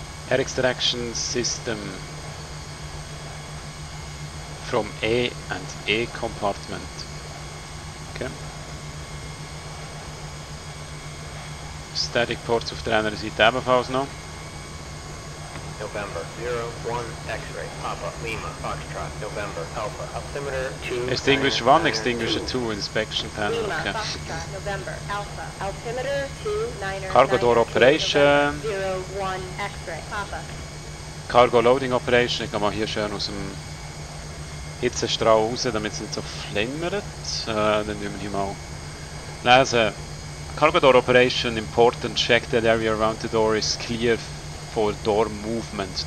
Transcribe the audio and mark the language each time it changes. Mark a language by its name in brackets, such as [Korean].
[English] Air Extraction System from A and E Compartment. Okay. [German] Static Ports auf der anderen Seite ebenfalls noch. [English] November 01 X-Ray Papa Lima Foxtrot November Alpha Altimeter 2 Extinguish 1 Extinguisher 2 Inspection Panel Lima, okay. Foxtrot November Alpha Altimeter 2 Cargo Door Operation 01 X-Ray Papa Cargo Loading Operation. [German] Ich gehe mal hier schön aus dem Hitzestrahl raus, damit es nicht so flimmert. Dann nehmen wir hier mal lesen. [English] Cargo Door Operation Important. Check that area around the door is clear for door movement.